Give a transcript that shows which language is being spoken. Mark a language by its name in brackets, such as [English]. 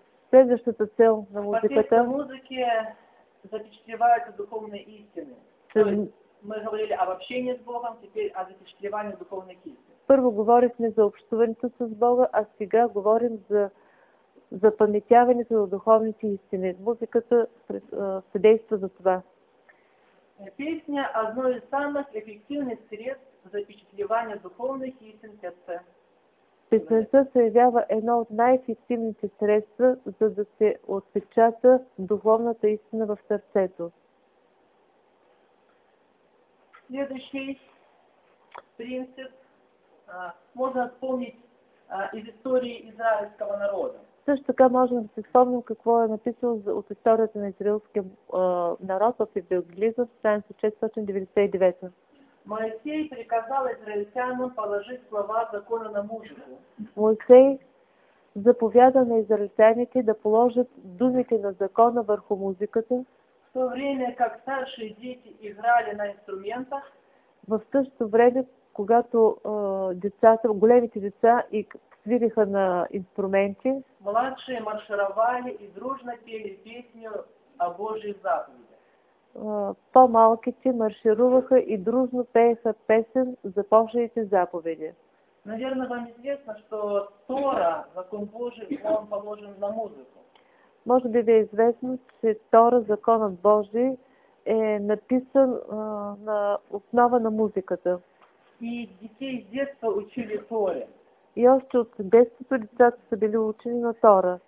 [Bulgarian] Следващата цел на музиката. [Russian] В музике запечатлеваются духовные истины. Мы говорили об общении с Богом, теперь о запечатлевании духовной истины. [Bulgarian] Първо говорихме за общуването с Бога, а сега говорим за запаметяването на духовните истини. Музиката съдейства за това. [Russian] Песня – одно из самых эффективных средств запечатлевания духовных истин сердца. [Bulgarian] Песента се явява едно от най-ефективните средства, за да се отпечата духовната истина в сърцето. [Russian] Следующий принцип можно вспомнить из истории израильского народа. [Bulgarian] Също така можем да се спомним какво е написано от историята на израилския народ в Евангелието, страница 499. [Russian] Моисей приказал израильтянам положить слова закона на музыку. [Bulgarian] Моисей заповяда на израильтяните да положат думите на закона върху музиката. [Russian] В то время как старшие дети играли на инструментах, [Bulgarian] в същото време, когато големите деца и свириха на инструменти, [Russian] младшие маршировали и дружно пели песню о Божьей заповеди. [Bulgarian] По-малките маршируваха и дружно пееха песен за Божиите заповеди. [Russian] Наверное, вам известно, что Тора, закон Божий, он положен на музыку. [Bulgarian] Може би ви е известно, че Тора, законът Божий, е написан на основа на музиката. [Russian] И детей с детства учили Торе. [Bulgarian] И още от детството децата са били учени на Тора.